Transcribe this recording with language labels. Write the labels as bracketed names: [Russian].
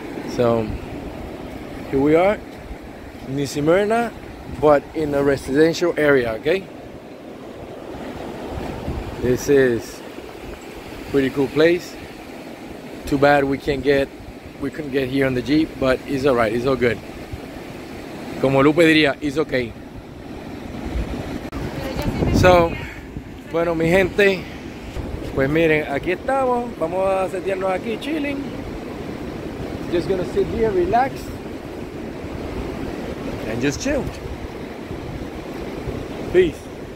[English] So here we are, in Smyrna, but in a residential area, okay? This is pretty cool place. Too bad we couldn't get here on the Jeep, but it's all right, it's all good. [Spanish] Como Lupe diría, [English] it's okay. [Spanish] So, bueno, mi gente, pues miren, aquí estamos. Vamos a sentarnos aquí, chilling. [English] Just gonna sit here, relax, and just chill. Peace.